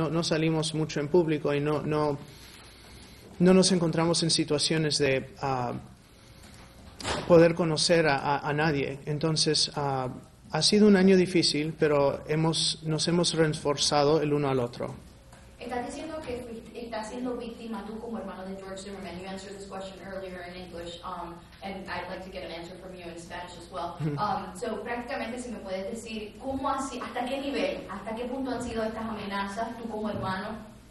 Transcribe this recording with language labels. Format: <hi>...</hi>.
<es>No salimos mucho en público y no nos encontramos en situaciones de poder conocer a nadie. Entonces, ha sido un año difícil, pero nos hemos reforzado el uno al otro. ¿Estás diciendo que estás siendo víctima tú como hermano de George Zimmerman?</es> <en>You answered this question earlier in English, and I'd like to get an answer from you in Spanish as well.</en> <es>So, prácticamente, si me puedes decir, ¿hasta qué nivel, hasta qué punto han sido estas amenazas tú como hermano?</es>